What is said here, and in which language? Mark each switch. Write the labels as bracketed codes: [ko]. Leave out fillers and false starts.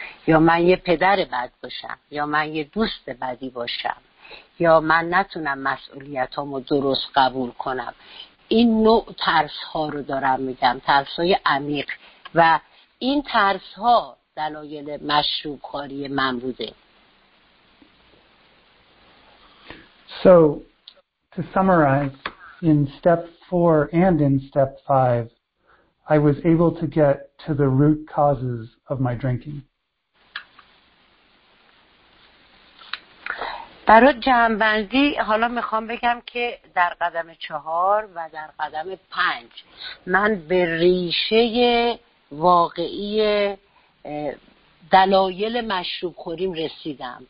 [fa] یا من یه پدر بد باشم، یا من یه دوست بدی باشم، یا من نتونم مسئولیتامو درست قبول کنم. این نوع ترس ها رو دارم میگم، ترس های عمیق، و این ترس ها دلایل مشروب خوری من بوده. [en] So to summarize, in step four and in step five, I was able to get to the root causes of my drinking. [fa] برای جمع‌بندی حالا میخوام بگم که در قدم چهار و در قدم پنج من به ریشه واقعی دلایل مشروب خوریم رسیدم.